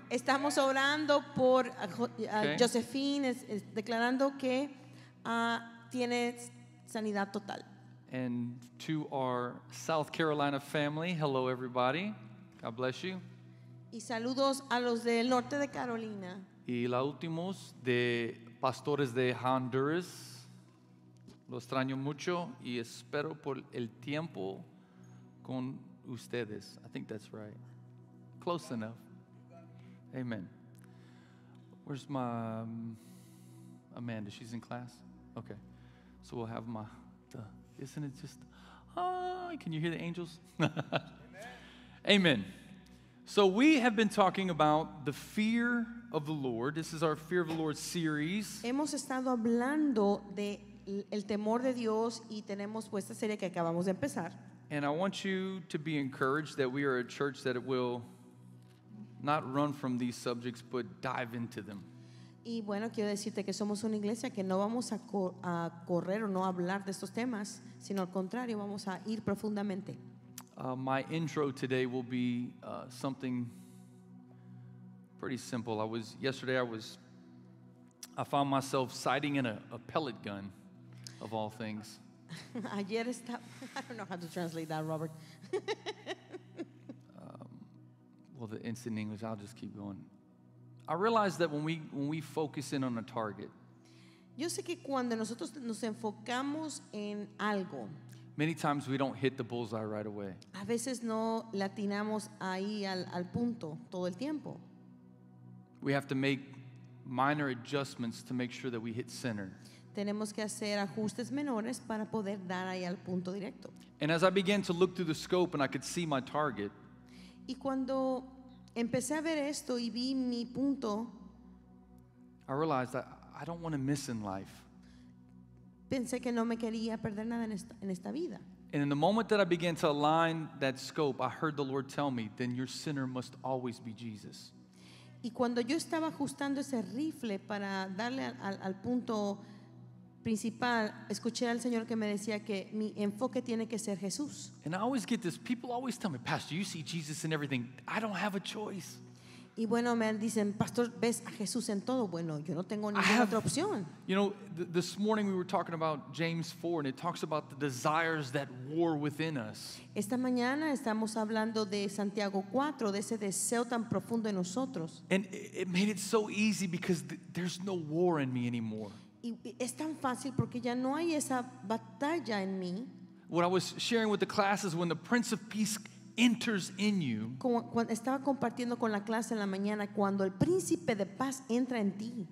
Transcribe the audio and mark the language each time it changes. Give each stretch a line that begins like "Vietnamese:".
Spanish: Estamos orando por Josephine, declarando que tiene sanidad total.
English: And to our South Carolina family, hello everybody. God bless you.
Spanish: Y saludos a los del norte de Carolina. Y la últimos de pastores de Honduras. Lo extraño mucho y espero por el tiempo con ustedes.
English: I think that's right. Close enough. Amen. Where's my Amanda? She's in class? Okay. So we'll have my, isn't it just, can you hear the angels? Amen. Amen. So we have been talking about the fear of the Lord. This is our Fear of the Lord series.
Spanish: Hemos estado hablando de el temor de Dios y tenemos pues esta serie que acabamos de empezar.
English: And I want you to be encouraged that we are a church that will not run from these subjects, but dive into them.
Spanish: Y bueno, quiero decirte que somos una iglesia que no vamos a correr o no hablar de estos temas, sino al contrario, vamos a ir profundamente.
English: My intro today will be something pretty simple. I found myself sighting in a pellet gun, of all things.
Spanish: Ayer estaba,
English: I don't know how to translate that, Robert. Well, the instant English, I'll just keep going. I realized that when we focus in on a target,
Spanish: yo sé que cuando nosotros nos enfocamos en algo,
English: many times we don't hit the bullseye right away.
Spanish: A veces no latinamos ahí al punto todo el tiempo.
English: We have to make minor adjustments to make sure that we hit center.
Spanish: Tenemos que hacer ajustes menores para poder dar ahí al punto directo.
English: And as I began to look through the scope and I could see my target,
Spanish: y cuando empecé a ver esto y vi mi punto,
English: I realized that I don't want to miss in life.
Spanish: Pensé que no me quería perder nada en esta vida.
English: And in the moment that I began to align that scope, I heard the Lord tell me, then your center must always be Jesus.
Spanish: Y cuando yo estaba ajustando ese rifle para darle al punto principal, escuché al Señor que me decía que mi enfoque tiene que ser Jesús.
English: And I always get this, people always tell me, Pastor, you see Jesus in everything. I don't have a choice.
Spanish: Y bueno, me dicen, Pastor, ves a Jesús en todo. Bueno, yo no tengo ninguna otra opción.
English: You know, this morning we were talking about James 4, and it talks about the desires that war within us.
Spanish: Esta mañana estamos hablando de Santiago 4, de ese deseo tan profundo en nosotros.
English: And it made it so easy because there's no war in me anymore.
Spanish: Y es tan fácil porque ya no hay esa batalla en mí.
English: What I was sharing with the class is when the Prince of Peace enters in you.
Spanish: Cuando estaba compartiendo con la clase en la mañana, cuando el príncipe de paz entra en ti.